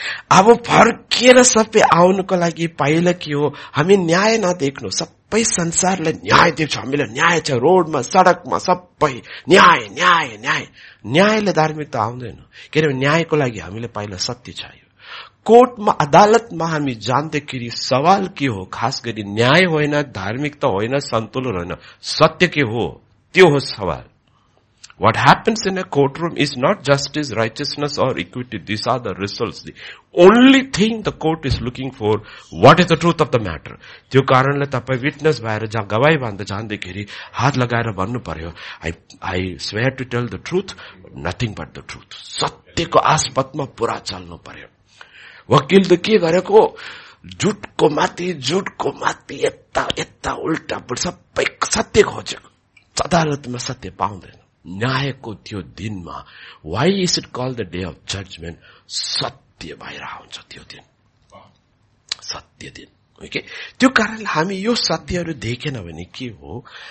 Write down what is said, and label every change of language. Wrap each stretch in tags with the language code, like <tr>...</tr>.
<ne>अब फर्केर सबै आउनुको लागि पहिला के हो हामी न्याय नदेख्नु सबै संसारले न्याय दिन्छ हामीलाई न्याय छ रोडमा सडकमा सबै न्याय न्याय न्याय न्यायले धार्मिकता आउँदैन किनभने न्यायको लागि हामीले पहिला सत्य चाहियो कोर्टमा अदालतमा हामी जान्दाखेरि सवाल के हो खास गरी न्याय होइन धार्मिकता होइन सन्तुलन होइन सत्य के हो त्यो हो सवाल</ne> <en>What happens in a courtroom is not justice, righteousness or equity. These are the results. The only thing the court is looking for, what is the truth of the matter?</en> <ne>त्यो कारणले तपाईँ witness भएर जहाँ गवाही भन्दा जाँदाखेरि हात लगाएर भन्नु पर्यो</ne> <en>I swear to tell the truth, nothing but the truth.</en> <ne>सत्यको आस्पदमा पुरा चल्नु पर्यो वकिल त के गरेको झुटको माथि यता उल्टा सबै सत्य खोजेको अदालतमा सत्य पाउँदैन न्यायको त्यो दिनमा</ne> <en>why is it called the day of judgment</en> <ne>सत्य भएर आउँछ त्यो दिन सत्य दिन ओके त्यो कारणले हामी यो सत्यहरू देखेन भने के हो</ne>